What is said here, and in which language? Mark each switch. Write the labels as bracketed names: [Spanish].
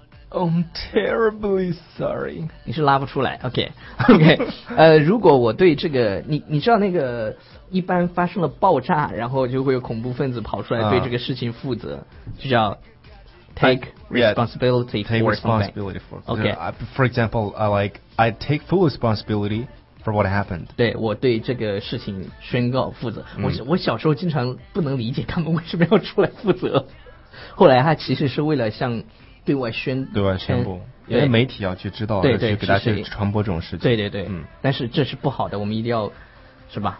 [English] I'm terribly sorry. [Chinese] 你是拉不出来 ， [English] OK, OK. [Chinese] 如果我对这个，你知道那个，一般发生了爆炸，然后就会有恐怖分子跑出来对这个事情负责，就叫 [English] take responsibility Take responsibility for something. OK. For example, I take full responsibility for what happened. [Chinese] 对，我对这个事情宣告负责。我小时候经常不能理解他们为什么要出来负责。后来他其实是为了向对外宣布，对外宣布，因为媒体要去知道，对对，去给大家去传播这种事情。对对对，但是这是不好的，我们一定要是吧？